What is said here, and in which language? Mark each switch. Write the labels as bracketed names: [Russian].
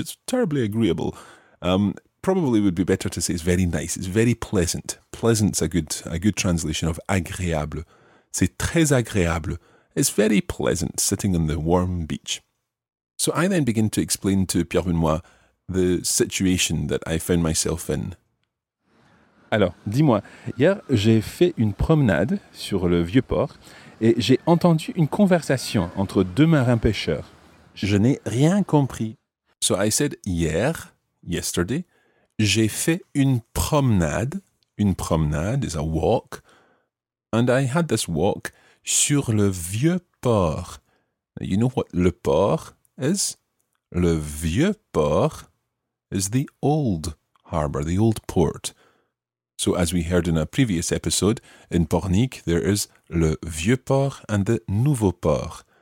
[English] It's terribly agreeable. Probably would be better to say it's very nice, it's very pleasant. Pleasant's a good translation of agréable. [French] C'est très agréable. [English] It's very pleasant sitting on the warm beach. So I then begin to explain to Pierre Benoît the situation that I found myself in. [French] Alors, dis-moi, hier, j'ai fait une promenade sur le vieux port et j'ai entendu une conversation entre deux marins pêcheurs. Je n'ai rien compris. [English] So I said, [French] hier, yesterday, j'ai fait une promenade. [English] Une promenade is a walk. And I had this walk sur le vieux port. Now, you know what le port is? Le vieux port is the old harbour, the old port. So as we heard in a previous episode, in Pornic, there is le vieux port and the nouveau port.